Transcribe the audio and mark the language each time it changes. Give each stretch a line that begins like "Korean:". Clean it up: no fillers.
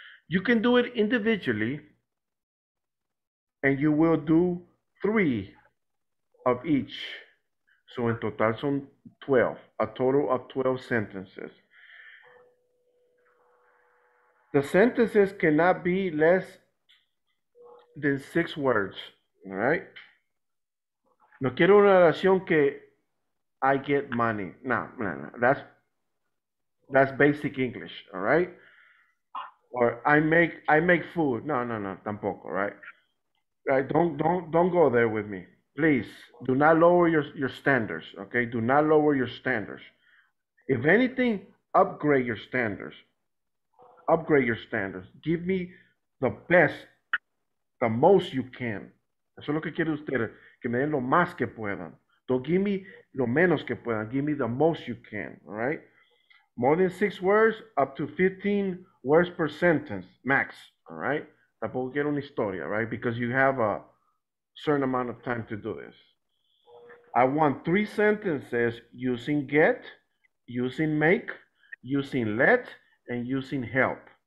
English: You can do it individually, and you will do three of each. So in total
Spanish: son 12,
English: a total of 12 sentences. The sentences cannot be less than 6 words, all right?
Spanish: No quiero una oración que
English: I get money. No, that's basic English, all right? Or I make food. No,
Spanish: tampoco,
English: right? Right, don't go there with me. Please, do not lower your standards, okay? Do not lower your standards. If anything, upgrade your standards. Upgrade your standards. Give me the best, the most you can.
Spanish: Eso es lo que quiere usted, que me den lo más que puedan.
English: Don't give me
Spanish: lo menos que puedan.
English: Give me the most you can, all right? More than 6 words, up to 15 words per sentence, max, all right?
Spanish: Tampoco quiero una historia,
English: right? Because you have a certain amount of time to do this. I want 3 sentences using get, using make, using let, and using help.